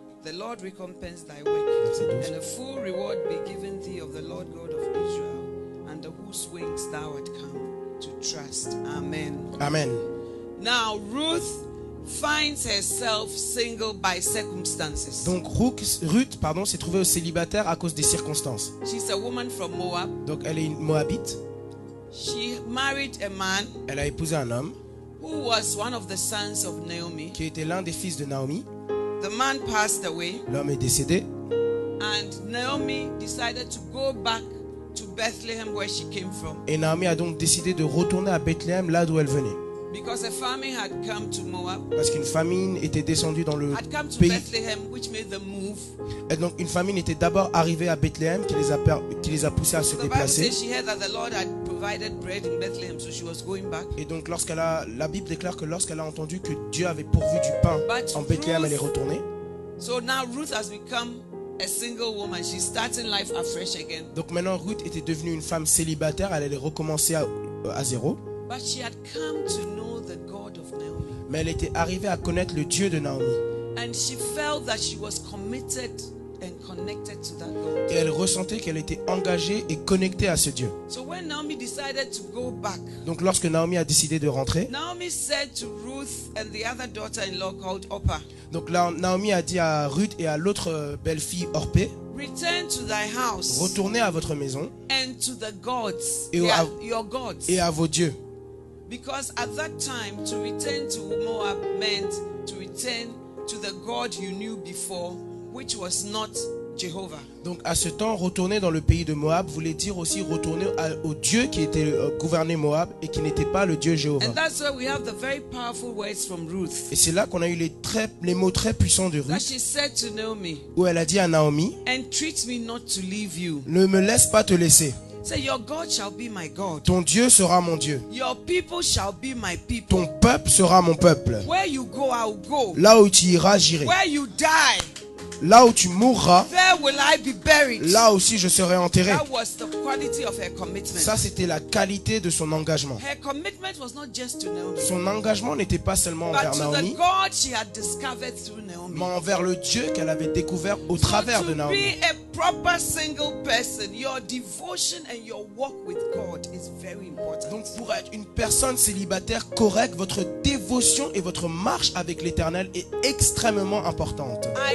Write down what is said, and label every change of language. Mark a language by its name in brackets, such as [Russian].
[English] The Lord recompense thy work, and a full reward be given thee of the Lord God of Israel, under whose wings thou art come to trust. Amen. [French] Amen. [English] Now Ruth finds herself single by circumstances. [French] Donc Ruth, s'est trouvée au célibataire à cause des circonstances. [English] She's a woman from Moab. [French] Donc elle est une Moabite. [English] She married a man. [French] Elle a épousé un homme. [English] Who was one of the sons of Naomi. [French] Qui était l'un des fils de Naomi. [English] The man passed away. [French] L'homme est décédé. [English] And Naomi decided to go back to Bethlehem where she came from. [French] Et Naomi a donc décidé de retourner à Bethléem, là d'où elle venait. [English] Because a famine had come to Moab. [French] Parce qu'une famine était descendue dans le [English] had come to [French] pays. [English] Bethlehem, which made them move. [French] Et donc une famine était d'abord arrivée à Bethléem qui les a poussés à [English] so [French] se déplacer. [English] She heard that the Lord had provided bread in Bethlehem, so she was going back. [French] Et donc la Bible déclare que lorsqu'elle a entendu que Dieu avait pourvu du pain [English] But [French] en Bethléem, elle est retournée. [English] So now Ruth has become a single woman. She's starting life afresh again. [French] Donc maintenant Ruth était devenue une femme célibataire, elle allait recommencer à zéro. [English] But she had come to know the God of Naomi. [French] Mais elle était arrivée à connaître le Dieu de Naomi. [English] And she felt that she was committed and connected to that God. [French] Et elle ressentait qu'elle était engagée et connectée à ce Dieu. [English] So when Naomi decided to go back, [French] donc lorsque Naomi a décidé de rentrer, [English] Naomi said to Ruth and the other daughter-in-law called Orpah. [French] Donc là, Naomi a dit à Ruth et à l'autre belle-fille Orpah. [English] Return to thy house. [French] Retournez à votre maison. [English] And to the gods. [French] Et [English] à your gods. [French] Et à vos dieux. [English] Because at that time to return to Moab meant to return to the God you knew before, which was not Jehovah. [French] Donc à ce temps, retourner dans le pays de Moab voulait dire aussi retourner au Dieu qui était gouverné Moab et qui n'était pas le Dieu Jéhovah. [English] And that's where we have the very powerful words from Ruth. [French] Et c'est là qu'on a eu les mots très puissants de Ruth. [English] That she said to Naomi, [French] où elle a dit à Naomi, [English] entreat me not to leave you. [French] Ne me laisse pas te laisser. [English] Say, your God shall be my God. [French] Ton Dieu sera mon Dieu. [English] Your people shall be my people. [French] Ton peuple sera mon peuple. [English] Where you go, I'll go. [French] Là où tu iras, j'irai. [English] Where you die. [French] Là où tu mourras, [English] there will I be buried. [French] Là aussi je serai enterré. [English] That was the quality of her commitment. [French] Ça, c'était la qualité de son engagement. [English] Her commitment was not just to Naomi. [French] Son engagement n'était pas seulement [English] but [French] envers Naomi, [English] to the God she had discovered through Naomi, [French] mais envers le Dieu qu'elle avait découvert au [English] so [French] travers [English] to [French] de Naomi. [English] Be a proper single person, your devotion and your walk with God is very important. [French] Donc pour être une personne célibataire correcte, votre dévotion et votre marche avec l'Éternel est extrêmement importante.